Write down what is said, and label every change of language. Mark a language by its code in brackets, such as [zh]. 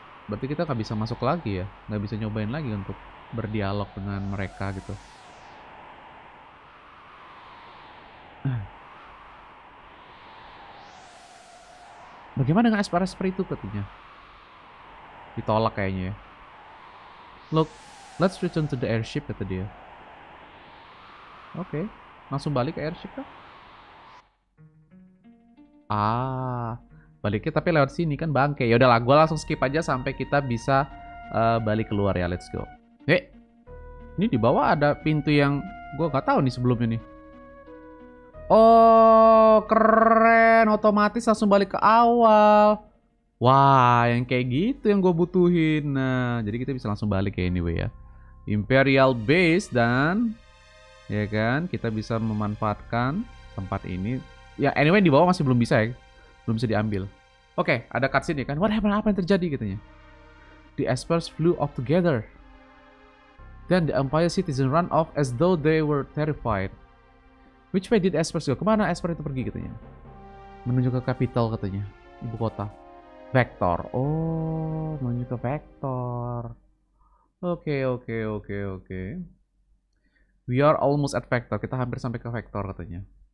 [id] Berarti kita nggak bisa masuk lagi ya? Nggak bisa nyobain lagi untuk berdialog dengan mereka gitu. Bagaimana dengan Esper-Esper itu katanya? Ditolak kayaknya ya. [en] Look, let's return to the airship kata dia. [id] Oke, okay. Langsung balik ke airship kah? Ah, baliknya tapi lewat sini kan bangke. Ya udahlah, gua langsung skip aja sampai kita bisa balik keluar ya. [en] Let's go. [id] Eh, ini di bawah ada pintu yang gua nggak tahu nih sebelumnya nih. Oh, keren. Otomatis langsung balik ke awal. Wah, yang kayak gitu yang gue butuhin. Nah, jadi kita bisa langsung balik ya anyway ya. Imperial Base dan... ya kan, kita bisa memanfaatkan tempat ini. Ya, anyway di bawah masih belum bisa ya. Belum bisa diambil. Oke, okay, ada cutscene ya kan. [en] What happened? [id] Apa yang terjadi katanya? [en] The Espers flew off together. Then the Empire citizen ran off as though they were terrified. Which way did Esper go? [id] Kemana Esper itu pergi katanya? Menuju ke capital katanya. Ibu kota. Vector. Oh, menuju ke Vector. Oke. [en] We are almost at Vector. [id] Kita hampir sampai ke Vector katanya.